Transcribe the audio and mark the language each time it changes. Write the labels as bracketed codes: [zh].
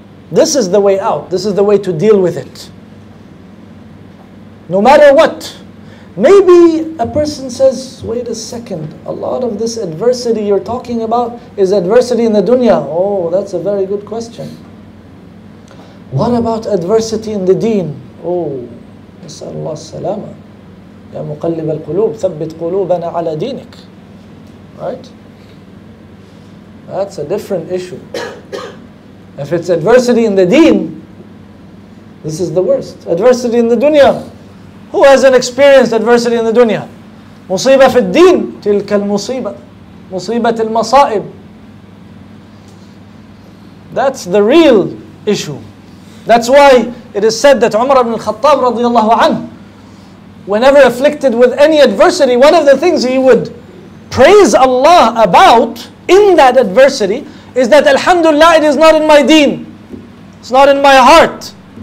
[en] This is the way out. This is the way to deal with it. No matter what. Maybe a person says, wait a second, a lot of this adversity you're talking about is adversity in the dunya. Oh, that's a very good question. What about adversity in the deen? [ar] Oh, نسأل الله السلامة. يا مقلب القلوب ثبت قلوبنا على دينك. [en] Right? That's a different issue. If it's adversity in the deen, this is the worst. Adversity in the dunya. Who hasn't experienced adversity in the dunya? [ar] مصيبة في الدين تلك المصيبة مصيبة المصائب. [en] That's the real issue. That's why it is said that Umar ibn al-Khattab radiallahu anhu, whenever afflicted with any adversity, one of the things he would praise Allah about in that adversity is that alhamdulillah, it is not in my deen, it's not in my heart.